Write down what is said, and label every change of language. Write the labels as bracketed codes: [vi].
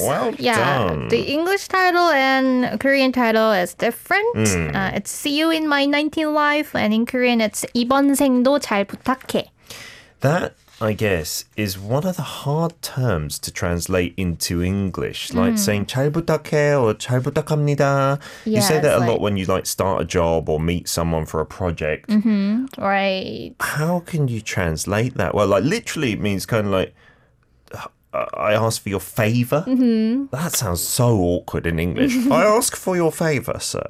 [en] Well done. The English title and Korean title is different. Mm. It's See You in My 19th Life. And in Korean, it's [ko] 이번 생도 잘 부탁해. [en] That, I guess, is one of the hard terms to translate into English. Like saying [ko] 잘 부탁해 [en] or [ko] 잘 부탁합니다. [en] Yes, you say that a lot when you like start a job or meet someone for a project. Mm-hmm, right. How can you translate that? Well, like literally it means kind of like, I ask for your favor. Mm-hmm. That sounds so awkward in English. I ask for your favor, sir.